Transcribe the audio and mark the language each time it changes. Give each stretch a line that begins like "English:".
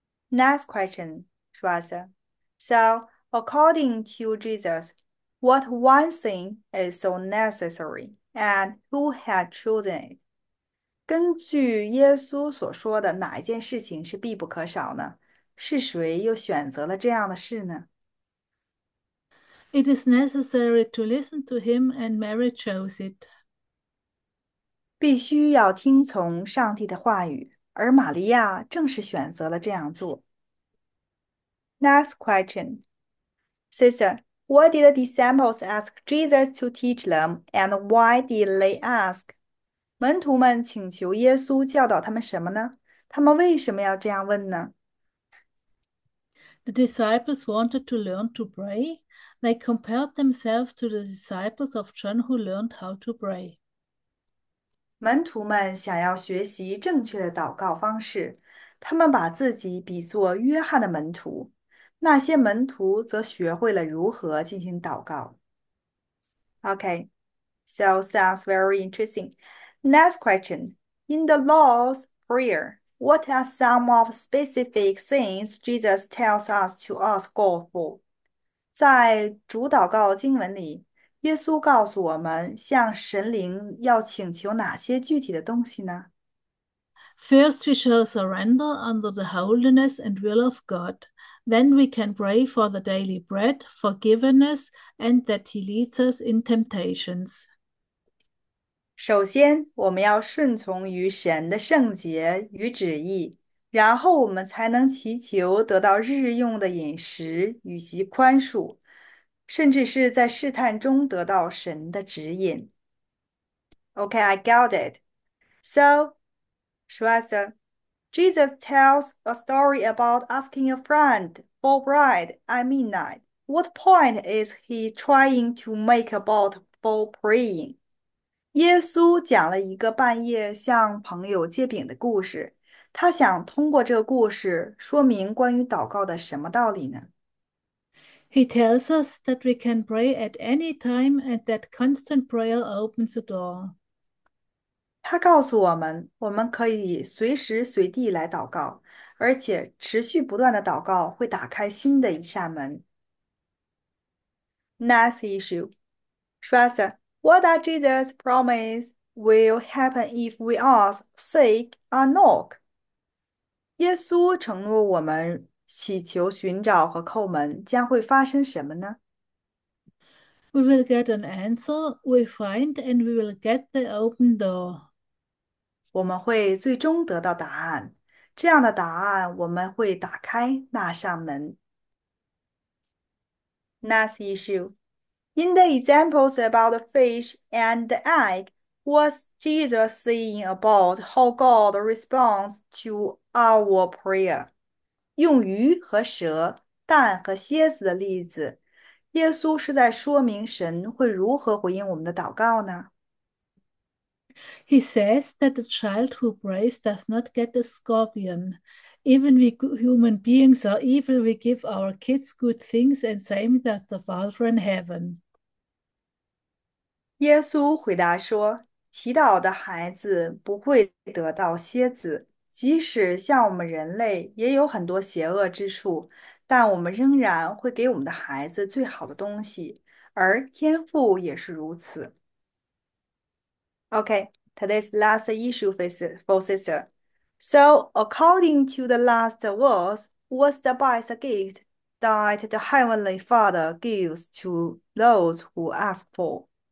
English: Next question, Shwasa. So, according to Jesus, what one thing is so necessary and who had chosen it?
Chinese: 根据耶稣所说的，哪一件事情是必不可少呢？是谁又选择了这样的事呢？
English: It is necessary to listen to him, and Mary chose it.
Chinese: 必须要听从上帝的话语，而玛利亚正是选择了这样做。
English: Next question. Sister, what did the disciples ask Jesus to teach them, and why did they ask?
Chinese: 门徒们请求耶稣教导他们什么呢？他们为什么要这样问呢？
English: The disciples wanted to learn to pray. They compared themselves to the disciples of John who learned how to pray.
Chinese: 门徒们想要学习正确的祷告方式，他们把自己比作约翰的门徒，那些门徒则学会了如何进行祷告。
English: Okay, so sounds very interesting. Next question. In the Lord's Prayer, what are some of specific things Jesus tells us to ask God for?
Chinese: 在主祷告经文里，耶稣告诉我们向神灵要请求哪些具体的东西呢？
English: First, we shall surrender under the holiness and will of God. Then we can pray for the daily bread, forgiveness, and that He leads us in temptations.
Chinese: 首先，我们要顺从于神的圣洁与旨意，然后我们才能祈求得到日用的饮食以及宽恕，甚至是在试探中得到神的指引。
English: Okay, I got it. So, Shwasa, Jesus tells a story about asking a friend for bread at midnight. What point is he trying to make about for praying?
Chinese: 耶稣讲了一个半夜向朋友借饼的故事，他想通过这个故事说明关于祷告的什么道理呢？
English: He tells us that we can pray at any time and that constant prayer opens the door.
Chinese: 他告诉我们，我们可以随时随地来祷告，而且持续不断的祷告会打开新的一扇门。
English: Next issue, Shwasa. What does Jesus promise will happen if we ask, seek, or knock?
Chinese: 耶稣承诺我们祈求、寻找和叩门将会发生什么呢？
English: We will get an answer, we find, and we will get the open door.
Chinese: 我们会最终得到答案，这样的答案我们会打开那扇门。
English: Next issue. In the examples about the fish and the egg, what's Jesus saying about how God responds to our prayer?
Chinese: 用鱼和蛇、蛋和蝎子的例子，耶稣是在说明神会如何回应我们的祷告呢？
English: He says that the child who prays does not get a scorpion. Even we human beings are evil, we give our kids good things and same that the Father in heaven.
Chinese: 耶稣回答说：“祈祷的孩子不会得到蝎子，即使像我们人类也有很多邪恶之处，但我们仍然会给我们的孩子最好的东西，而天父也是如此。
English: ”Okay, today's last issue for sister. So, according to the last verse, what's the best gift that the Heavenly Father gives to those who ask for?